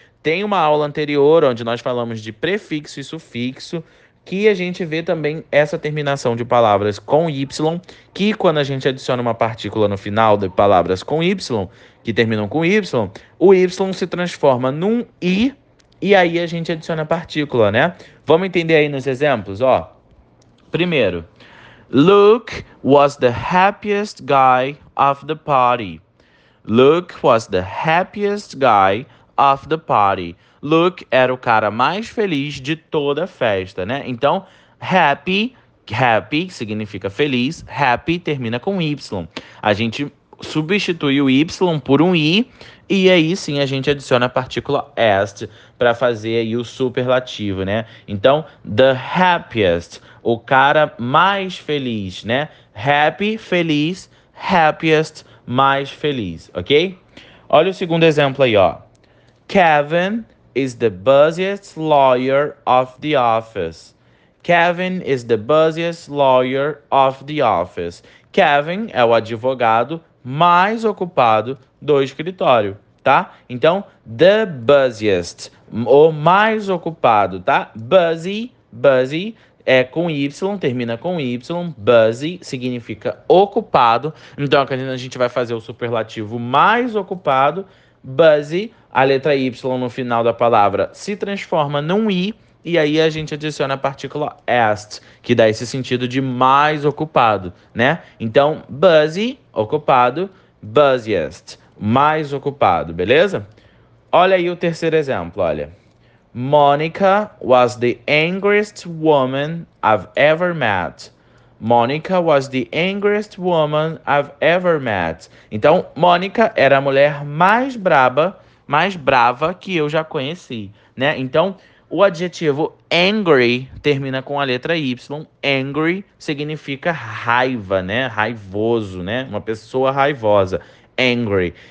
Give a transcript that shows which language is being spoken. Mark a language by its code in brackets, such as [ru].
[pt] Tem uma aula anterior onde nós falamos de prefixo e sufixo, que a gente vê também essa terminação de palavras com Y, que quando a gente adiciona uma partícula no final de palavras com Y, que terminam com Y, o Y se transforma num I e aí a gente adiciona a partícula, né? Vamos entender aí nos exemplos, ó. [en] Primeiro, Luke was the happiest guy of the party. Luke was the happiest guy of the party. [pt] Luke era o cara mais feliz de toda a festa, né? Então, happy significa feliz, happy termina com Y. A gente substitui o Y por um I e aí sim a gente adiciona a partícula est para fazer aí o superlativo, né? Então, the happiest, o cara mais feliz, né? Happy, feliz, happiest, mais feliz, ok? Olha o segundo exemplo aí, ó. [en] Kevin is the busiest lawyer of the office. Kevin is the busiest lawyer of the office. [pt] Kevin é o advogado mais ocupado do escritório, tá? Então, the busiest, o mais ocupado, tá? Busy é com Y, termina com Y. Busy significa ocupado. Então, a gente vai fazer o superlativo mais ocupado. Busy, a letra Y no final da palavra se transforma num I e aí a gente adiciona a partícula est, que dá esse sentido de mais ocupado, né? Então, busy, ocupado, busiest, mais ocupado, beleza? Olha aí o terceiro exemplo, olha. [en] Monica was the angriest woman I've ever met. Monica was the angriest woman I've ever met. [pt] Então, Monica era a mulher mais brava que eu já conheci, né? Então, o adjetivo angry termina com a letra Y. Angry significa raiva, né? Raivoso, né? Uma pessoa raivosa. angry.